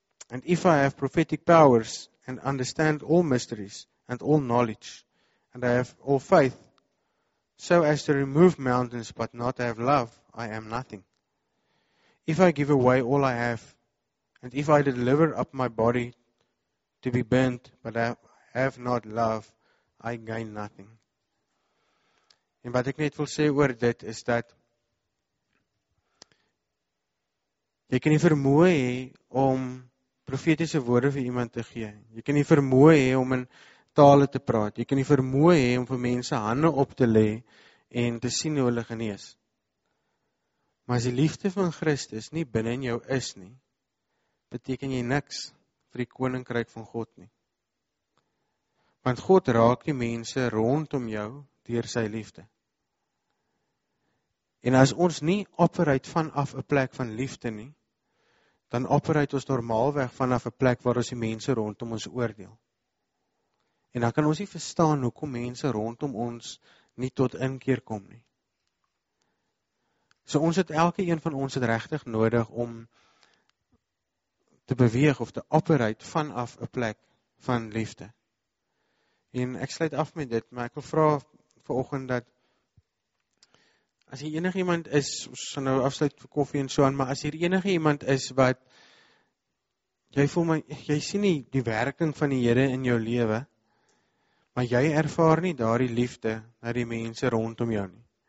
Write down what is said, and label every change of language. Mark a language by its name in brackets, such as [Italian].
[English] And if I have prophetic powers and understand all mysteries and all knowledge, and I have all faith, so as to remove mountains but not have love, I am nothing. If I give away all I have, and if I deliver up my body to be burnt but I have not love, I gain nothing. [Afrikaans] En wat ek net wil sê oor dit is dat jy kan nie vermoë hê om profetiese woorde vir iemand te gee. Jy kan nie vermoë hê om in tale te praat. Jy kan nie vermoë hê om vir mense hande op te lê en te sien hoe hulle genees. Maar as die liefde van Christus nie binne in jou is nie, beteken jy niks vir die koninkryk van God nie. Want God raak die mense rondom jou deur sy liefde. En as ons nie operate vanaf 'n plek van liefde nie, dan operate ons normaalweg vanaf 'n plek waar ons die mense rondom ons oordeel. En dan kan ons nie verstaan hoekom mense rondom ons nie tot inkeer kom nie. So ons het elke een van ons het regtig nodig om te beweeg of te operate vanaf 'n plek van liefde. En ek sluit af met dit, maar ek wil vra vanoggend dat as hier enige iemand is, ons gaan nou afsluit vir koffie en so aan, maar as hier enige iemand is wat, jy voel my, jy sien nie die werking van die Here in jou lewe, maar jy ervaar nie daardie liefde na die mense rondom jou nie.